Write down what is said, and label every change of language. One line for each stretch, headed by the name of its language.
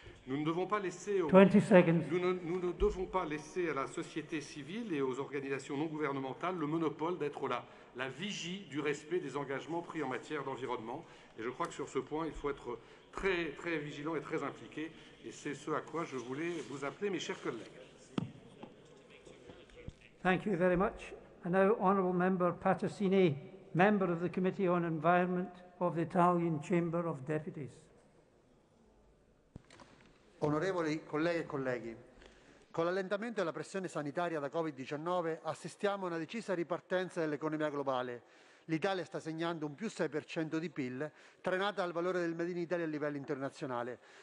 French: Nous ne devons pas laisser nous ne devons pas laisser à la société civile et aux organisations non gouvernementales le monopole d'être la vigie du respect des engagements pris en matière d'environnement. Et je crois que sur ce point, il faut être très, très vigilant et très impliqué. Et c'est ce à quoi je voulais vous appeler, mes chers collègues.
English: Thank you very much. And now, Honourable Member Patacini, Member of the Committee on Environment of the Italian Chamber of Deputies.
Italian: Onorevoli colleghe e colleghi, con l'allentamento della pressione sanitaria da Covid-19 assistiamo a una decisa ripartenza dell'economia globale. L'Italia sta segnando un più 6% di PIL, trainata dal valore del Made in Italy a livello internazionale.